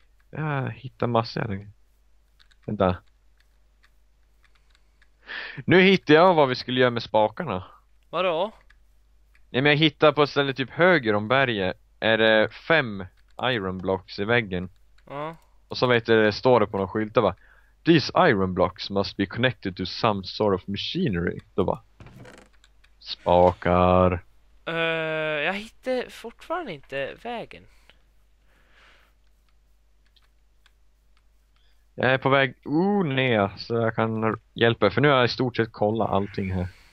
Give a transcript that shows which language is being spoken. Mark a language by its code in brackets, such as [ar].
[sv] Jag hittar massor. Vänta. Nu hittar jag vad vi skulle göra med spakarna. Vadå? Nej, men jag hittar på ett ställe typ höger om berget. Är det 5 iron blocks i väggen? Ja. Och så vet du, står det på någon skylt, va? [en] These iron blocks must be connected to some sort of machinery. [sv] Då va? Spakar. Jag hittar fortfarande inte vägen. Jag är på väg, ner. Så jag kan hjälpa. För nu har jag i stort sett kollat allting här.